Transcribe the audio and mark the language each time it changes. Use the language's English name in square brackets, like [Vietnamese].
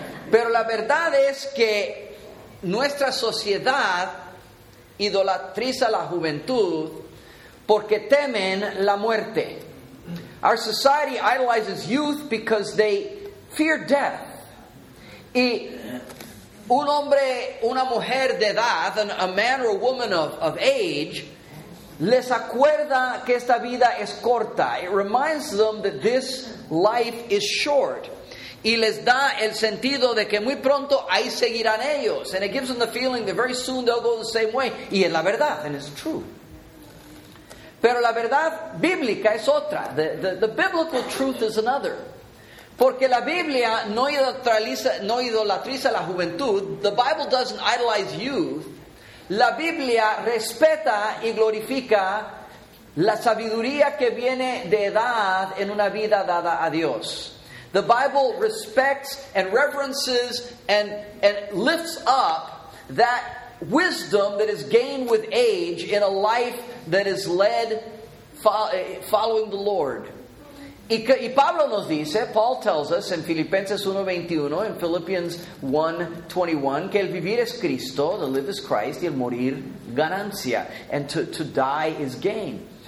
[Spanish] Pero la verdad es que nuestra sociedad idolatriza la juventud porque temen la muerte. [English] Our society idolizes youth because they fear death. [Spanish] Y un hombre, una mujer de edad, [English] a man or a woman of age, [Spanish] les acuerda que esta vida es corta. [English] It reminds them that this life is short. [Spanish] Y les da el sentido de que muy pronto ahí seguirán ellos. [English] And it gives them the feeling that very soon they'll go the same way. [Spanish] Y es la verdad, [English] and it's true. [Spanish] Pero la verdad bíblica es otra. [English] The biblical truth is another. [Spanish] Porque la Biblia no idolatriza la juventud. [English] The Bible doesn't idolize youth. [Spanish] La Biblia respeta y glorifica la sabiduría que viene de edad en una vida dada a Dios. [English] The Bible respects and reverences and lifts up that wisdom that is gained with age in a life that is led following the Lord. [Spanish] Y Pablo nos dice, [English] Paul tells us in Filipenses 1:21, in Philippians 1:21, [Spanish] que el vivir es Cristo, [English] the live is Christ, [Spanish] y el morir ganancia, [English] and to die is gain.